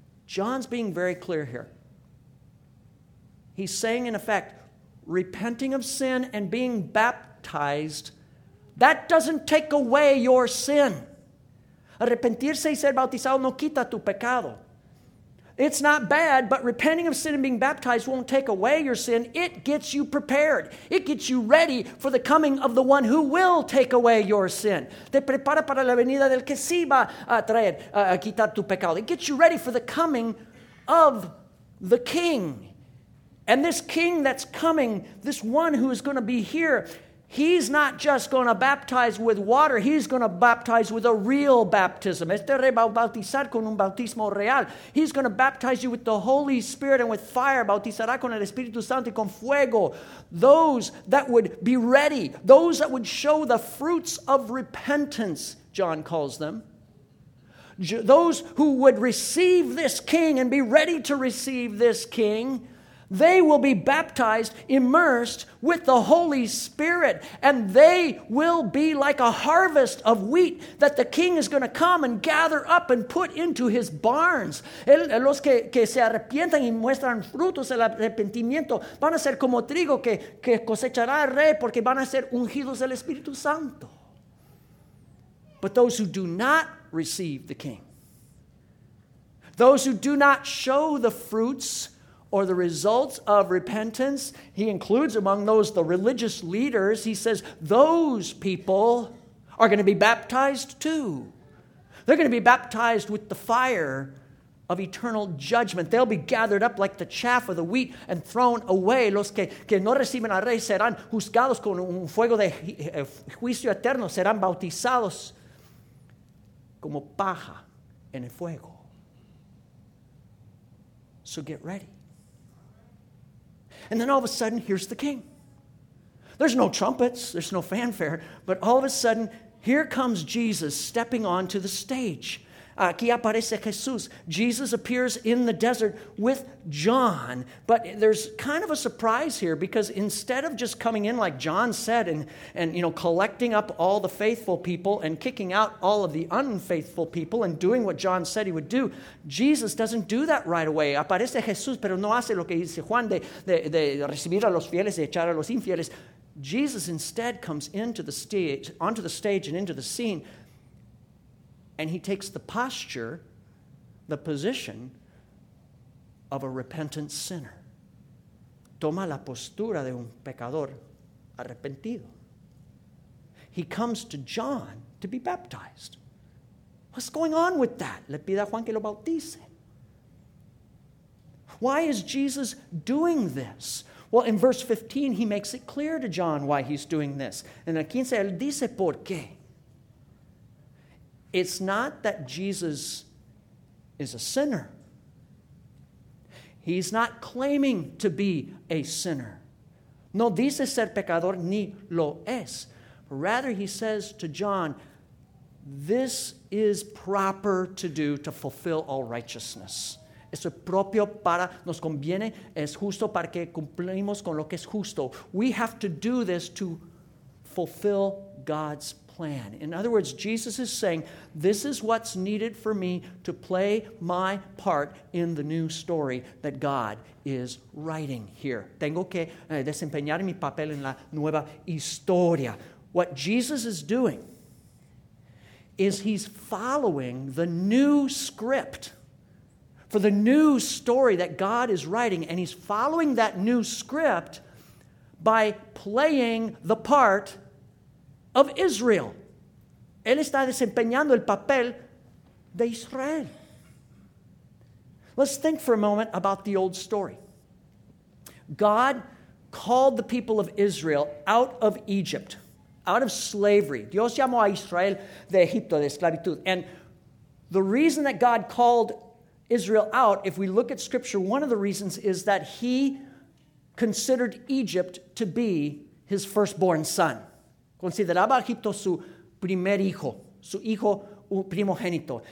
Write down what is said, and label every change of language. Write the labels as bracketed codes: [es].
[en] John's being very clear here. He's saying, in effect, repenting of sin and being baptized, that doesn't take away your sin. [es] Arrepentirse y ser bautizado no quita tu pecado. [en] It's not bad, but repenting of sin and being baptized won't take away your sin. It gets you prepared. It gets you ready for the coming of the one who will take away your sin. [es] Te prepara para la venida del que sí va a traer, a quitar tu pecado. [en] It gets you ready for the coming of the king. And this king that's coming, this one who is going to be here, he's not just going to baptize with water, he's going to baptize with a real baptism. [es] Este rey va a bautizar con un bautismo real. [en] He's going to baptize you with the Holy Spirit and with fire. [es] Bautizará con el Espíritu Santo y con fuego. [en] Those that would be ready, those that would show the fruits of repentance, John calls them. Those who would receive this king and be ready to receive this king, they will be baptized, immersed with the Holy Spirit, and they will be like a harvest of wheat that the king is going to come and gather up and put into his barns. [es] Los que se arrepientan y muestran frutos del arrepentimiento van a ser como trigo que cosechará el rey porque van a ser ungidos del Espíritu Santo. [en] But those who do not receive the king, those who do not show the fruits or the results of repentance, he includes among those the religious leaders. He says those people are going to be baptized too. They're going to be baptized with the fire of eternal judgment. They'll be gathered up like the chaff of the wheat and thrown away. [es] Los que no reciben al rey serán juzgados con un fuego de juicio eterno. Serán bautizados como paja en el fuego. [en] So get ready. And then all of a sudden, here's the king. There's no trumpets, there's no fanfare, but all of a sudden, here comes Jesus stepping onto the stage. [es] Aquí aparece Jesús. [en] Jesus appears in the desert with John. But there's kind of a surprise here because instead of just coming in like John said and you know, collecting up all the faithful people and kicking out all of the unfaithful people and doing what John said he would do, Jesus doesn't do that right away. [es] Aparece Jesús, pero no hace lo que dice Juan de recibir a los fieles y echar a los infieles. [en] Jesus instead comes into the stage, onto the stage and into the scene. And he takes the posture, the position of a repentant sinner. [es] Toma la postura de un pecador arrepentido. [en] He comes to John to be baptized. What's going on with that? [es] Le pide a Juan que lo bautice. [en] Why is Jesus doing this? Well, in verse 15, he makes it clear to John why he's doing this. [es] En el 15, él dice por qué. [en] It's not that Jesus is a sinner. He's not claiming to be a sinner. [es] No dice ser pecador ni lo es. [en] Rather, he says to John, this is proper to do to fulfill all righteousness. [es] Es propio para, nos conviene, es justo para que cumplimos con lo que es justo. [en] We have to do this to fulfill God's plan. In other words, Jesus is saying, this is what's needed for me to play my part in the new story that God is writing here. [es] Tengo que desempeñar mi papel en la nueva historia. [en] What Jesus is doing is he's following the new script for the new story that God is writing, and he's following that new script by playing the part of Israel. [es] Él está desempeñando el papel de Israel. [en] Let's think for a moment about the old story. God called the people of Israel out of Egypt, out of slavery. [es] Dios llamó a Israel de Egipto, de esclavitud. [en] And the reason that God called Israel out, if we look at Scripture, one of the reasons is that he considered Egypt to be his firstborn son. [es] Consideraba a Egipto su primer hijo, su hijo primogénito.